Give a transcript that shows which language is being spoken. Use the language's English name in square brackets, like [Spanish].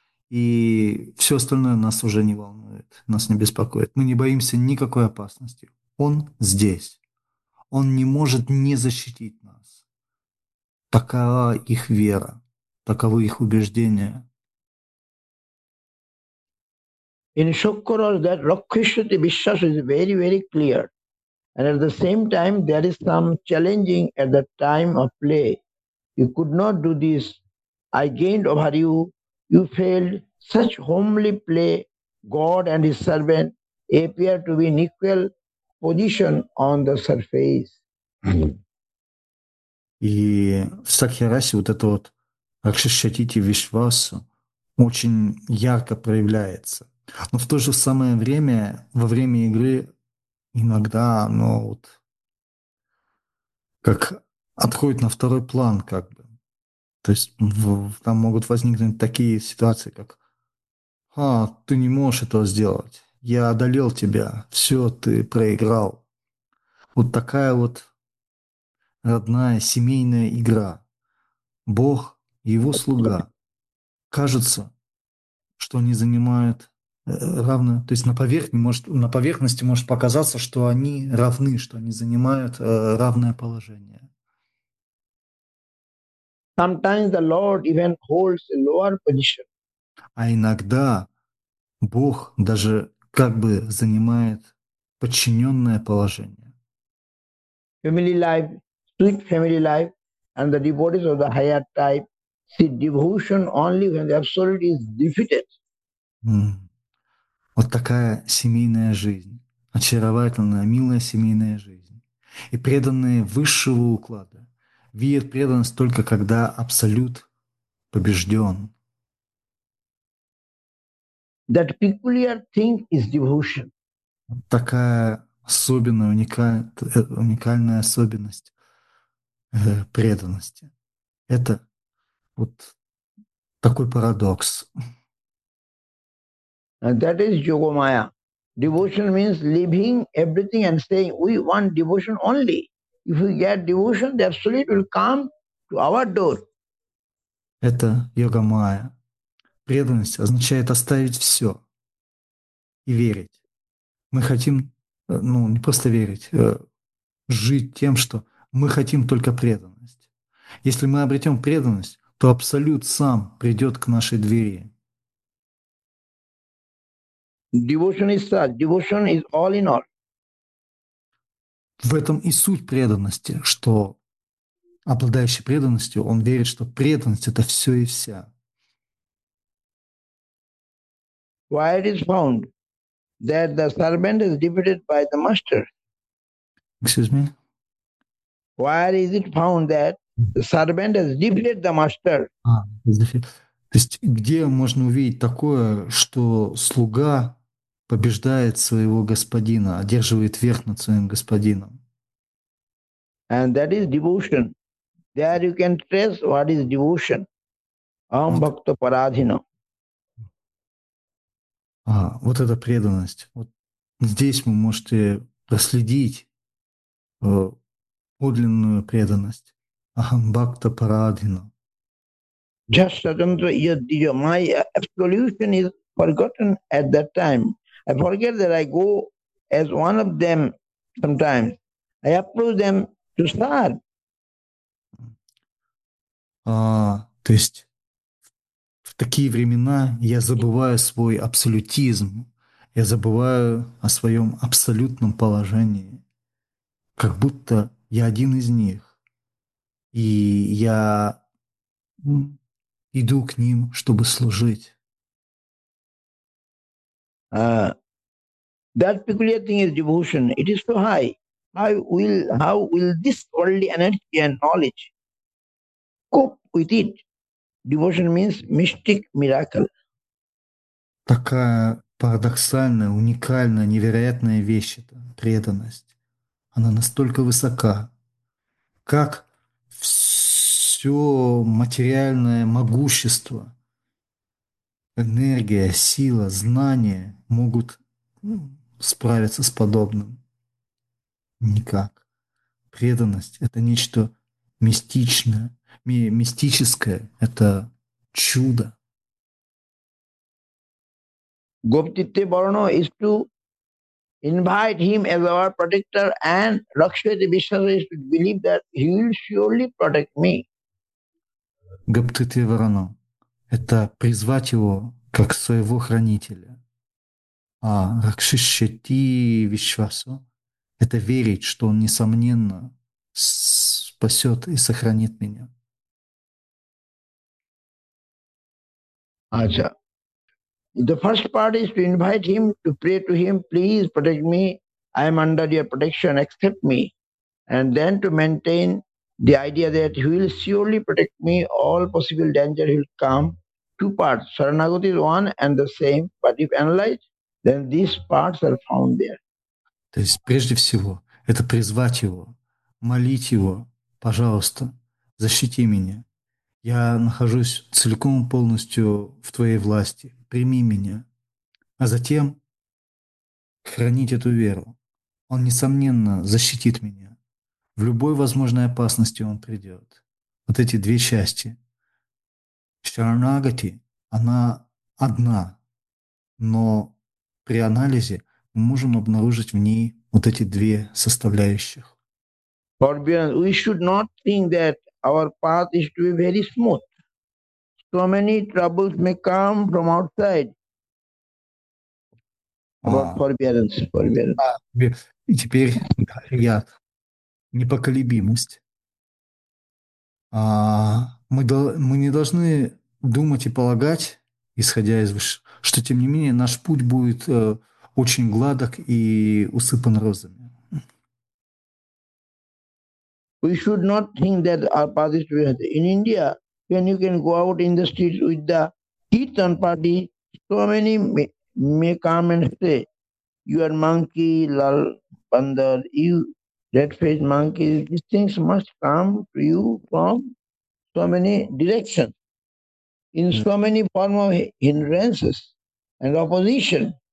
[Russian] И все остальное нас уже не волнует, нас не беспокоит. Мы не боимся никакой опасности. Он здесь. Он не может не защитить нас. Такова их вера, таковы их убеждения. [English] In Shukra, that Rakshati Vishwas is very, very clear. And at the same time, there is some challenging at the time of play. You could not do this. I gained over you. You failed such homely play. God and his servant appear to be in equal position on the surface. [Russian] И в Сакхирасе вот это вот Ракшишатити Вишвасу очень ярко проявляется. Но в то же самое время, во время игры, иногда оно вот как отходит на второй план, как бы. То есть там могут возникнуть такие ситуации, как: «А, ты не можешь этого сделать. Я одолел тебя. Все, ты проиграл». Вот такая вот родная семейная игра. Бог и его слуга. Кажется, что они занимают равно, то есть на поверхности может показаться, что они равны, что они занимают равное положение. [English] Sometimes the Lord even holds a lower position. [Russian] А иногда Бог даже как бы занимает подчиненное положение. [English] Family life, sweet family life, and the devotees of the higher type see devotion only when the absolute is defeated. [Russian] Вот такая семейная жизнь, очаровательная, милая семейная жизнь. И преданные высшего уклада видят преданность только когда абсолют побежден. [English] That peculiar thing is devotion. [Russian] Такая особенная, уникальная особенность преданности. Это вот такой парадокс. [English] And that is yoga maya. Devotion means leaving everything and saying we want devotion only. If we get devotion, the absolute will come to our door. [Russian] Это йога майя. Преданность означает оставить все и верить. Мы хотим, ну, не просто верить, жить тем, что мы хотим только преданность. Если мы обретем преданность, то Абсолют сам придет к нашей двери. [English] Devotion is such. Devotion is all in all. [Russian] В этом и суть преданности, что обладающий преданностью, он верит, что преданность — это все и вся. [English] Why it is found that the servant is defeated by the master? Excuse Why is it found that the servant has defeated the master? me. [Russian] То есть, где можно увидеть такое, что слуга побеждает своего господина, одерживает верх над своим господином? [English] And that is devotion. There you can trace what is devotion. [Sanskrit] Aham [Russian] Вот. [Sanskrit] bhakta parādhino. [Russian] А, вот эта преданность. Вот здесь вы можете проследить подлинную преданность. [Sanskrit] Ахам бхакта парадхина. [English] Just Swatantra Iyad Dijo. My absolution is forgotten at that time. I forget that I go as one of them sometimes. I approach them. Just [Russian] А, то есть в такие времена я забываю свой абсолютизм, я забываю о своем абсолютном положении, как будто я один из них, и я иду к ним, чтобы служить. [English] That peculiar thing is devotion. It is so high. How will this worldly energy and knowledge cope with it? Devotion means mystic miracle. [Russian] Такая парадоксальная, уникальная, невероятная вещь эта преданность. Она настолько высока, как все материальное могущество, энергия, сила, знание могут справиться с подобным. Никак. Преданность — это нечто мистичное, мистическое, это чудо. [English] Gopitite Varano is to invite him as our protector, and Rakshvati Vishwas is to believe that he will surely protect me. [Russian] Гаптити Варано — это призвать его как своего хранителя. А Ракшишети Вишвасу — это верить, что он, несомненно, спасет и сохранит меня. [English] Ajah. The first part is to invite him to pray to him, please protect me. I am under your protection, accept me. And then to maintain the idea that he will surely protect me, all possible danger will come. Two parts, Saranagati is one and the same, but if analyzed, then these parts are found there. [Russian] То есть прежде всего это призвать его, молить его, пожалуйста, защити меня. Я нахожусь целиком и полностью в Твоей власти. Прими меня. А затем хранить эту веру. Он, несомненно, защитит меня. В любой возможной опасности он придет. Вот эти две части. Шаранагати, она одна. Но при анализе мы можем обнаружить в ней вот эти две составляющих. [English] We should not think that our path is to be very smooth. So many troubles may come from outside. About forbearance. [Russian] И теперь я непоколебимость. Мы не должны думать и полагать, исходя из вышего, что тем не менее наш путь будет очень гладок и усыпан розами. [English] We should not think that our path is bad. In India, when you can go out in the streets with the Kirtan party, so many may come and say, you are monkey, [Hindi] lal, bandar, [English] you, red-faced monkey, these things must come to you from so many directions, in so many forms of hindrances and opposition.